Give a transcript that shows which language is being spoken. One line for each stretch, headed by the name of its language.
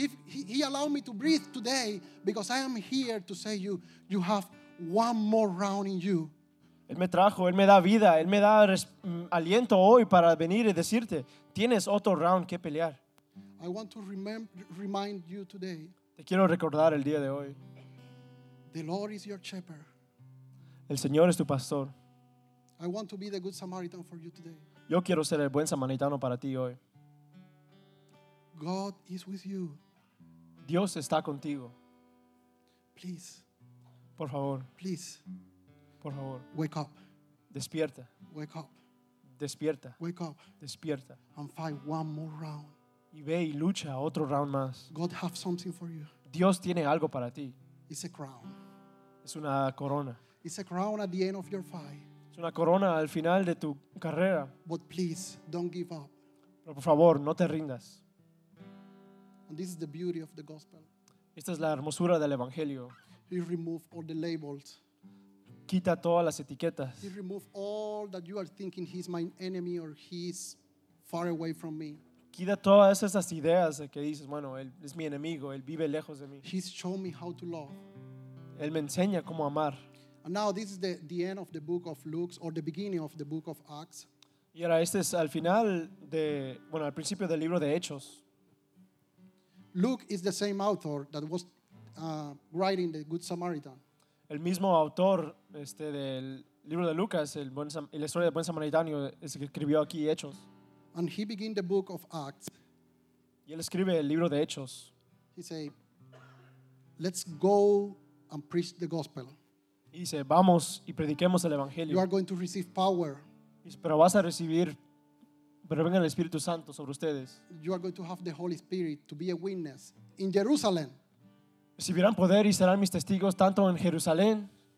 English: He allowed me to breathe today because I am here to say you have one more round in you.
Spanish: Él me trajo. Él me da vida. Él me da aliento hoy para venir y decirte, tienes otro round que pelear.
English: I want to remind you today.
Spanish: Te quiero recordar el día de hoy.
English: The Lord is your shepherd.
Spanish: El Señor es tu pastor.
English: I want to be the good Samaritan for you today.
Spanish: Yo quiero ser el buen samaritano para ti hoy.
English: God is with you.
Spanish: Dios está contigo.
English: Please.
Spanish: Por favor.
English: Please.
Spanish: Por favor.
English: Wake up.
Spanish: Despierta.
English: Wake up.
Spanish: Despierta.
English: Wake up.
Spanish: Despierta.
English: And fight one more round.
Spanish: Y ve y lucha otro round más.
English: God has something for you.
Spanish: Dios tiene algo para ti.
English: It's a crown.
Spanish: Es una corona.
English: It's a crown at the end of your fight.
Spanish: Una corona al final de tu carrera.
English: But please, don't give up.
Spanish: Pero por favor, no te rindas.
English: And this is the beauty of the gospel.
Spanish: Esta es la hermosura del evangelio.
English: He removed all the labels.
Spanish: Quita todas las etiquetas.
English: He removed all that you are thinking he's my enemy or he's far away from me.
Spanish: Quita todas esas ideas que dices, bueno, él es mi enemigo, él vive lejos de mí.
English: He's shown me how to love.
Spanish: Él me enseña cómo amar.
English: And now this is the end of the book of Luke or the beginning of the book of Acts.
Spanish: Y ahora este es al final de, bueno, al principio del libro de Hechos.
English: Luke is the same author that was writing the Good Samaritan.
Spanish: El mismo autor del libro de Lucas, la historia del buen samaritano, es el que escribió aquí Hechos.
English: And he begins the book of Acts.
Spanish: Y él escribe el libro de Hechos.
English: He say, let's go and preach the gospel.
Spanish: Y dice, vamos y prediquemos el evangelio.
English: You are going to receive power.
Spanish: Pero vas a recibir, pero venga el Espíritu Santo sobre ustedes.
English: You are going to have the Holy Spirit to be a witness in Jerusalem.
Spanish: Recibirán poder y serán mis testigos tanto en Jerusalén,